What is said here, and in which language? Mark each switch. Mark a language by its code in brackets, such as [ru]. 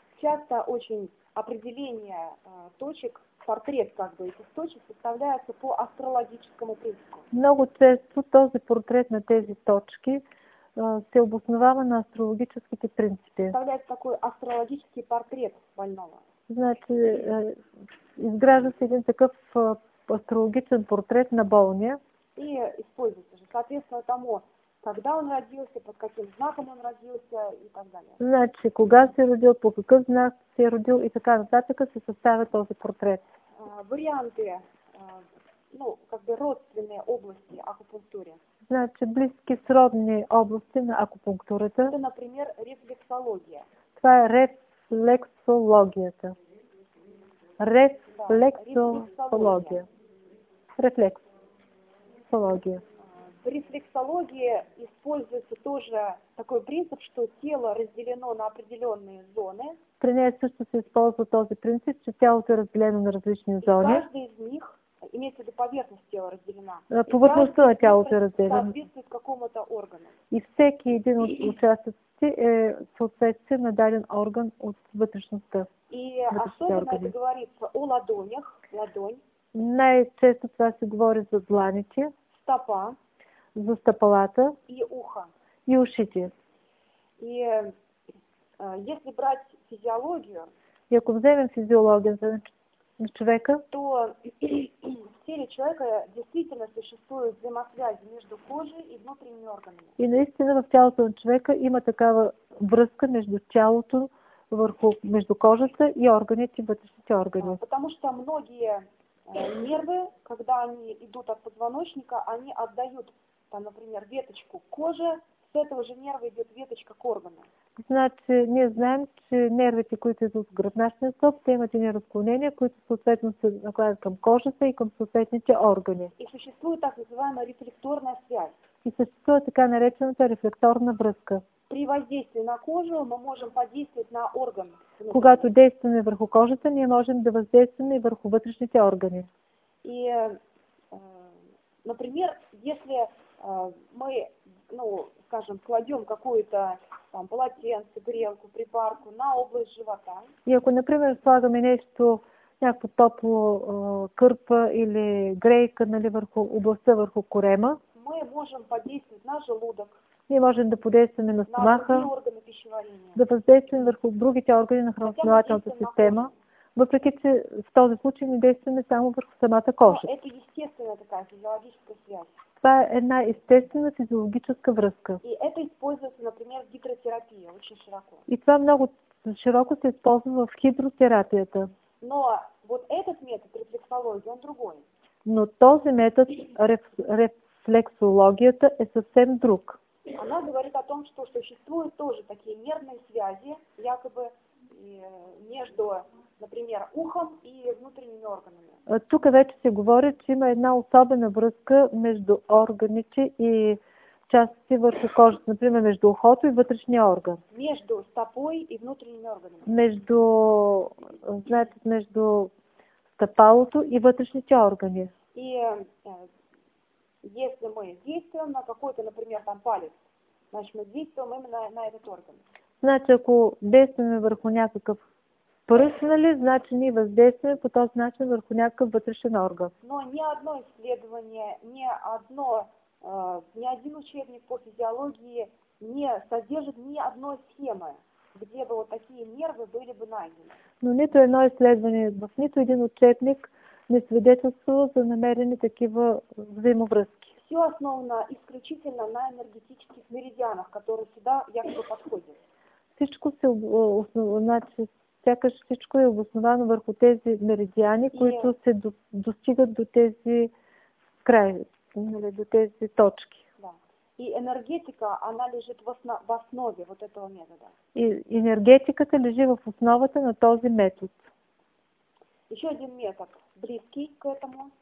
[ru] Часто очень определение точек, портрет как бы этих точек составляется по астрологическому принципу. [bg] Много често този портрет на тези точки се обосновава на астрологическите принципи. [ru] Составляет такой астрологический портрет больного. [bg] Значи, изгражда се един такъв астрологичен портрет на болния. [ru] И используется же. Соответственно, тому когда он родился, под каким знаком он родился и так далее. [bg] Значи, кога се родил, по какъв знак се родил и така нататък, се съставя този портрет. [ru] Варианты, ну, как бы родственные области акупунктуры. [bg] Значи, близки сродни области на акупунктурата. [ru] Это, например, рефлексология. [bg] Това е рефлексологията. [ru] Рефлексология. Рефлексология. В рефлексологии используется тоже такой принцип, что тело разделено на определенные зоны. [bg] При ней също се използва този принцип, [ru] что тело разделено на различные зоны. И каждый из них, имеется в виду поверхность тела разделена. Поверхность тела разделена. Соответствует какому-то органу. [bg] И всякий один участок соответствует на даден орган от вътрешността. [ru] И особенно это говорится о ладонях, ладонь. [bg] Най-често това се говори за дланите, [ru] стопа, [bg] за стъпалата [ru] и ухо, [bg] и ушите. [ru] И если брать физиологию, [bg] и ако вземем физиологията на човека, [ru] то в теле человека действительно существует взаимосвязь между кожей и внутренними органами. [bg] И наистина в тялото на човека има такава връзка между тялото, върху, между кожата и органите, вътрешните органи. [ru] Потому что многие нервы, когда они идут от позвоночника, они отдают, там, например, веточку кожи, с этого же нерва идет веточка к органу. [bg] Значи, ние знаем, че нервите, които идут в гръбначния стълб, те имат и разклонения, които съответно се накладят към кожата и към съответните органи. [ru] И съществует так называемая рефлекторная связь. [bg] И съществует така наречената рефлекторна връзка. [ru] При воздействии на кожу мы можем подействовать на орган. [bg] Когато действуем върху кожата, ние можем да въздействаме върху вътрешните органи. [ru] И, например, если мы, ну, скажем, кладем какую-то там полотенце, грелку, припарку на область живота. [bg] И ако, например, слагаме нещо, някакво топло кърпа или грейка, нали, върху областта, върху корема. [ru] Мы можем подействовать на желудок. [bg] Ние можем да подействаме на стомаха, [ru] на органи пищеварения, [bg] да въздействаме върху другите органи на храносмилателната система, въпреки че в този случай не действаме само върху самата кожа. [ru] Но это естественно такая физиологическая связь. [bg] Това е една естествена физиологическа връзка. [ru] И это используется, например, в гидротерапии, очень широко. [bg] И това много широко се използва в хидротерапията. [ru] Но вот этот метод рефлексология, он другой. [bg] Но този метод рефлексологията е съвсем друг. [ru] Она говорит о том, что существуют тоже такие нервные связи, якобы между, например, ухом и внутренними органами. [bg] Тук вече се говори, че има една особена връзка между органите и части върху кожата, например, между ухото и вътрешния орган. [ru] Между стопой и внутренними органами. [bg] Между, знаете, между стъпалото и вътрешните органи. [ru] И если мы действуем на какой-то, например, там палец, значит, мы действуем именно на этот орган. [bg] Значит, ако действуем върху някакъв пръст, нали, значи ние въздействаме по този начин върху някакъв вътрешен орган. [ru] Но ни одно исследование, ни одно, ни один учебник по физиологии не содержит ни одной схемы, где бы вот такие нервы были бы найдены. [bg] Но нито едно изследване, нито един учебник не свидетелствува за намерени такива взаимовръзки. [ru] Все основано исключительно на энергетических меридианах, которые сюда якобы подходят. [bg] Всичко се основано, значи, сякаш всичко е обосновано върху тези меридиани, които се достигат до тези край, нали, до тези точки. Да. [ru] И енергетика, она лежит в основе вот этого метода. [bg] И енергетиката лежи в основата на този метод. [ru] Еще один метод, близкий к этому.